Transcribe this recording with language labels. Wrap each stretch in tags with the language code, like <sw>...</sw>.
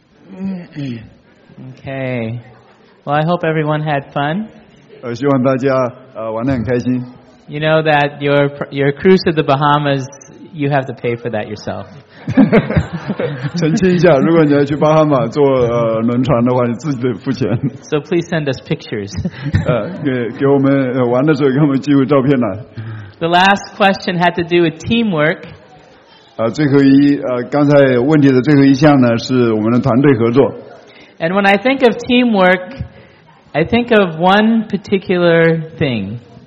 <en>Okay. Well, I hope everyone had fun.</en> <zh>希望大家玩得很开心.</zh> <en>You know that your cruise to the Bahamas, you have to pay for that yourself.</en> <zh>澄清一下，如果你要去巴哈马坐轮船的话，你自己得付钱.</zh> <en>So please send us pictures.</en> <zh>给我们玩的时候给我们寄个照片来.</zh> <en>The last question had to do with teamwork.</en> <zh>最后一刚才问题的最后一项呢，是我们的团队合作.</zh> <en>And when I think of teamwork, I think of one particular thing.</en>